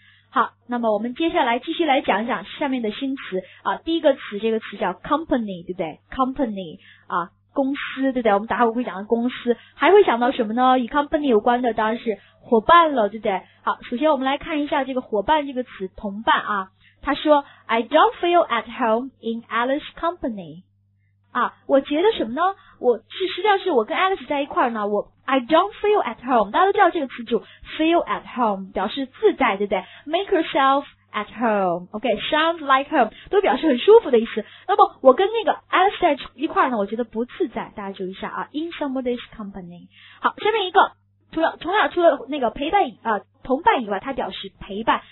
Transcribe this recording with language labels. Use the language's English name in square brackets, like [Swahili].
[Chinese] 好，那么我们接下来继续来讲讲下面的新词啊。第一个词，这个词叫 company， 对不对 ？company 啊，公司，对不对？我们待会会讲到公司，还会想到什么呢？与 company 有关的当然是伙伴了，对不对？好，首先我们来看一下这个伙伴这个词，同伴啊。他说 [English] ，I don't feel at home in Alice's company。 [Chinese] 啊，我觉得什么呢？实际上是我跟 Alice 在一块呢，我 [English] I don't feel at home。 [Chinese] 大家都知道这个词组 [English] feel at home [Chinese] 表示自在，对不对 ？ [English] Make yourself at home， [Chinese] OK， [English] sounds like home [Chinese] 都表示很舒服的意思。那么我跟那个 Alice 在一块呢，我觉得不自在。大家注意一下啊 ， [English] in somebody's company。 [Chinese] 好，下面一个，除了那个陪伴同伴以外，它表示陪伴。